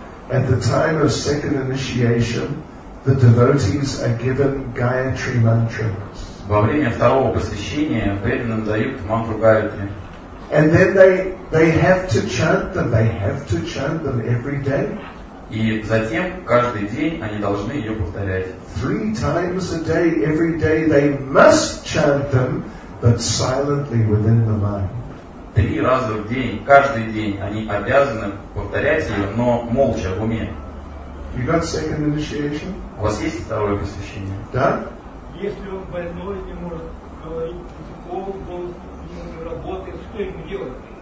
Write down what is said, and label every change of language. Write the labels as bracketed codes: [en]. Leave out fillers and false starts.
[en] At the time of second initiation, the devotees are given Gayatri mantras. [ru] Во время второго посвящения преданным дают мантру Гаятри. [en] And then they have to chant them. They have to chant them every day. [ru] И затем каждый день они должны ее повторять. [en] Three times a day, every day they must chant them, but silently within the mind. [ru] Три раза в день, каждый день они обязаны повторять ее, но молча, в уме. [en] You got second initiation? [ru] У вас есть второе посвящение? Да. Если он больной, не может говорить языком, голосом, не может работать, что ему делать?